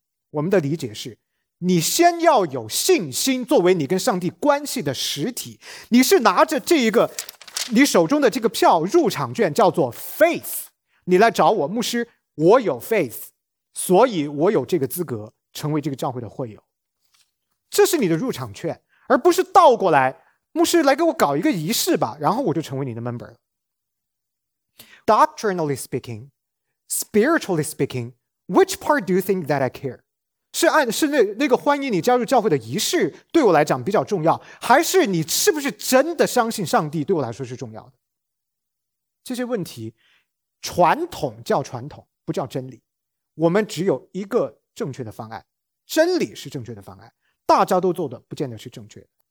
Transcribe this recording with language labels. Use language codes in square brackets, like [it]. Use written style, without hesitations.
[zh] 我们的理解是你先要有信心作为你跟上帝关系的实体，你是拿着这一个你手中的这个票入场券叫做 faith， 你来找我，牧师，我有 faith， 所以我有这个资格成为这个教会的会友，这是你的入场券，而不是倒过来，牧师来给我搞一个仪式吧，然后我就成为你的 member。 [en] Doctrinally speaking, spiritually speaking, which part do you think that I care? [zh] 是那个欢迎你加入教会的仪式对我来讲比较重要，还是你是不是真的相信上帝对我来说是重要的？这些问题，传统叫传统，不叫真理。我们只有一个正确的方案，真理是正确的方案，大家都做的不见得是正确的。